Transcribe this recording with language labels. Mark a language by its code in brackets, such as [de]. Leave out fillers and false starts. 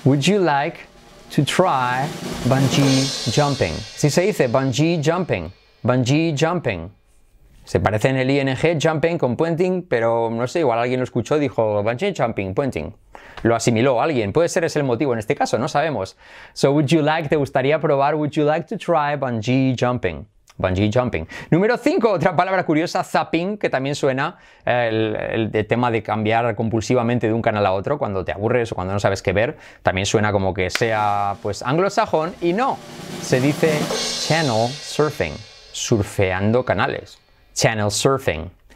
[en] Would you like to try bungee jumping? [es] Sí, se dice bungee jumping. Bungee jumping. Se parece en el ING, jumping con puenting, pero no sé, igual alguien lo escuchó y dijo bungee jumping, puenting. Lo asimiló alguien. Puede ser ese el motivo en este caso, no sabemos. [en] So, would you like, [es] te gustaría probar, [en] would you like to try bungee jumping? Bungee jumping. [es] Número 5, otra palabra curiosa, zapping, que también suena el tema de cambiar compulsivamente de un canal a otro cuando te aburres o cuando no sabes qué ver. También suena como que sea, pues, anglosajón, y no. Se dice channel surfing, surfeando canales. Channel surfing.